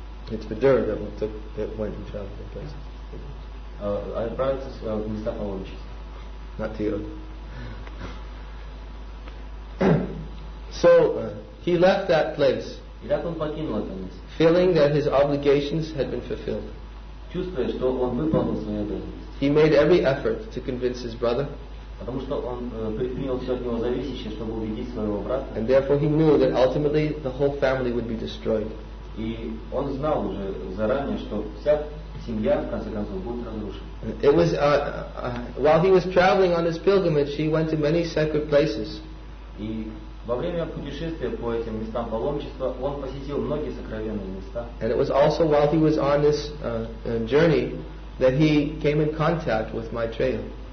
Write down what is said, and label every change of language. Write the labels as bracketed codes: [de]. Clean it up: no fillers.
[en] It's Vidura that went and traveled to places. [ru] Отправиться в места паломничества. [en] Not to you. So he left that place. [ru] И так он покинул это место. [en] Feeling that his obligations had been fulfilled. [ru] Чувствуя, что он выполнил свои обязанности. [en] He made every effort to convince his brother. [ru] Потому что он предпринял все от него зависящее, чтобы убедить своего брата. [en] And therefore he knew that ultimately the whole family would be destroyed. [ru] И он знал уже заранее, что вся семья в конце концов будет разрушена. [en] It was while he was traveling on his pilgrimage, he went to many sacred places. [ru] И во время путешествия по этим местам паломничества он посетил многие сокровенные места. [en] And it was also while he was on this journey that he came in contact with Maitreya.